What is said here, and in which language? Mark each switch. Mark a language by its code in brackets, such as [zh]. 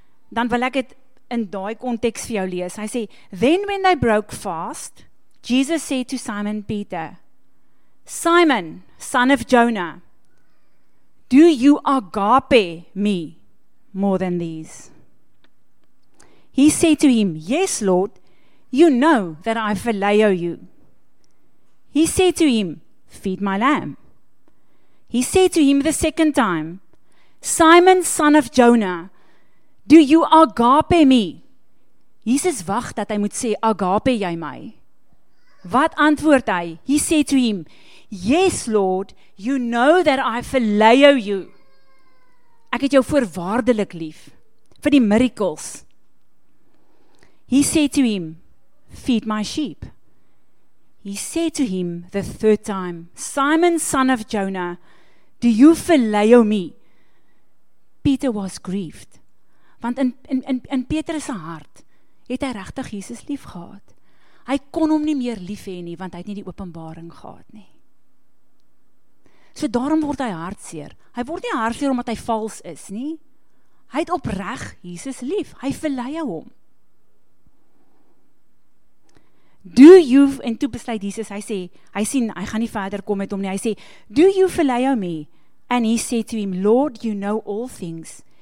[af] Dan wil ek het in daai konteks vir jou lees. Hy sê, [en] when they broke fast, Jesus said to Simon Peter, Simon, son of Jonah, do you agape me more than these? He said to him, yes, Lord, you know that I phileo you. He said to him, feed my lamb. He said to him the second time, Simon, son of Jonah, do you agape me? [af] Jesus wag dat hy moet sê, agape jy my? Wat antwoord hy? [en] He said to him, yes, Lord, you know that I phileo you. [af] Ek het jou voorwaardelik lief, vir die miracles. [en] He said to him, feed my sheep. He said to him the third time, Simon, son of Jonah, do you phileo me? Peter was grieved, [af] want in Petrus se hart het hy regtig Jesus lief gehad. Hy kon hom nie meer lief hê nie, want hy het nie die openbaring gehad nie. So daarom word hy hartseer. Hy word nie hartseer omdat hy vals is nie. Hy het opreg Jesus lief. Hy verlei hom. [en] Do you, [af] en toe besluit Jesus, hy sê, hy sien, hy gaan nie verder kom met hom nie. Hy sê, [en] do you verlei me? And he said to him, Lord, you know all things.